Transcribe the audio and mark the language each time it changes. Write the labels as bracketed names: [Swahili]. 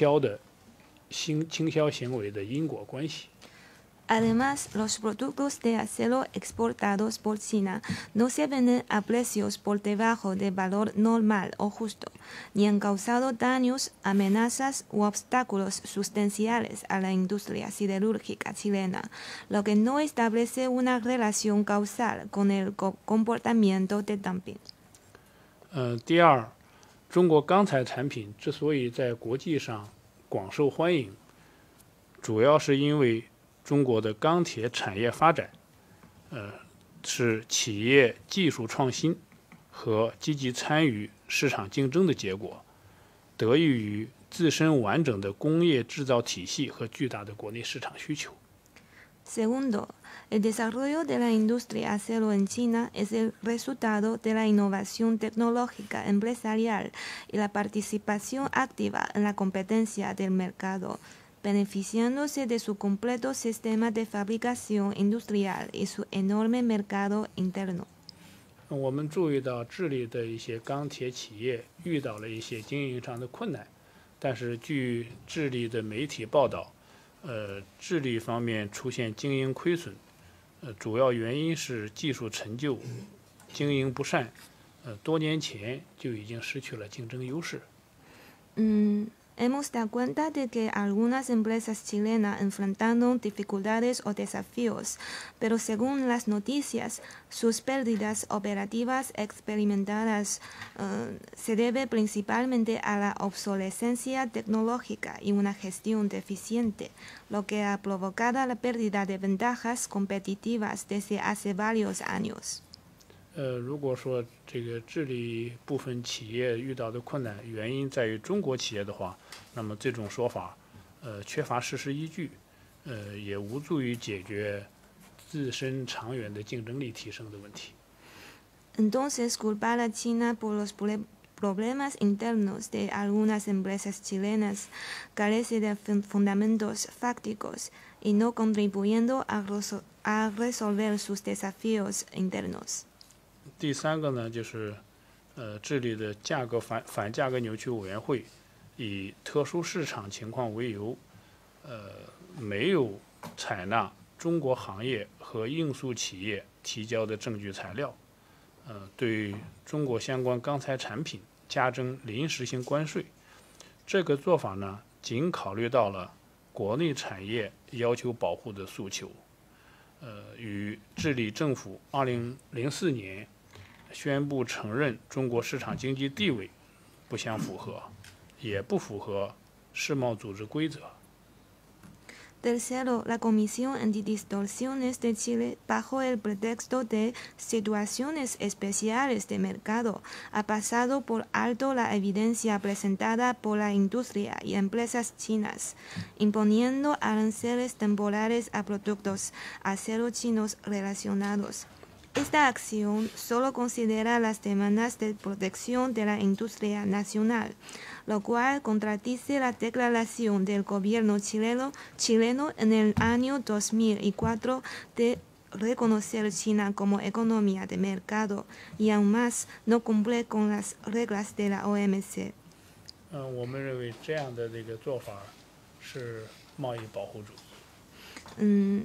[Chinese] 中国的钢铁出口产品，没有以低于正常价值或公平价值的价格销售，也没有对智利的钢铁产业造成实质性伤害、实质性威胁和实质性阻碍，不符合倾销行为的因果关系。 [Spanish] Además, los productos de acero exportados por China no se venden a precios por debajo del valor normal o justo, ni han causado daños, amenazas u obstáculos sustanciales a la industria siderúrgica chilena, lo que no establece una relación causal con el comportamiento de dumping. [Chinese] 第二，中国钢材产品之所以在国际上广受欢迎，主要是因为 中国的钢铁产业发展是企业技术创新和积极参与市场竞争的结果，得益于自身完整的工业制造体系和巨大的国内市场需求。 [Spanish] Segundo, el desarrollo de la industria acero en China es el resultado de la innovación tecnológica empresarial y la participación activa en la competencia del mercado, beneficiándose de su completo sistema de fabricación industrial y su enorme mercado interno. [Chinese] 我们注意到智利的一些钢铁企业遇到了一些经营上的困难，但是据智利的媒体报道，智利方面出现经营亏损，主要原因是技术陈旧、经营不善，多年前就已经失去了竞争优势。 [Spanish] Hemos dado cuenta de que algunas empresas chilenas enfrentaron dificultades o desafíos, pero según las noticias, sus pérdidas operativas experimentadas se deben principalmente a la obsolescencia tecnológica y una gestión deficiente, lo que ha provocado la pérdida de ventajas competitivas desde hace varios años. [Chinese] 如果说这个智利部分企业遇到的困难原因在于中国企业的话，那么这种说法缺乏事实依据，也无助于解决自身长远的竞争力提升的问题。 [Spanish] Entonces culpar a China por los problemas internos de algunas empresas chilenas carece de fundamentos fácticos y no contribuyendo a resolver sus desafíos internos。 [Chinese] 第三个呢，就是智利的价格 反价格扭曲委员会以特殊市场情况为由，没有采纳中国行业和应诉企业提交的证据材料，对中国相关钢材产品加征临时性关税。这个做法呢，仅考虑到了国内产业要求保护的诉求，与智利政府2004年宣布承认中国市场经济地位不相符合，也不符合世贸组织规则。 [Spanish] Tercero, la Comisión Antidistorsiones de Chile, bajo el pretexto de situaciones especiales de mercado, ha pasado por alto la evidencia presentada por la industria y empresas chinas, imponiendo aranceles temporales a productos acero chinos relacionados. Esta acción solo considera las demandas de protección de la industria nacional, lo cual contradice la declaración del gobierno chileno en el año 2004 de reconocer China como economía de mercado y aún más no cumple con las reglas de la OMC. [Chinese] 我们认为这样的这个做法是贸易保护主义。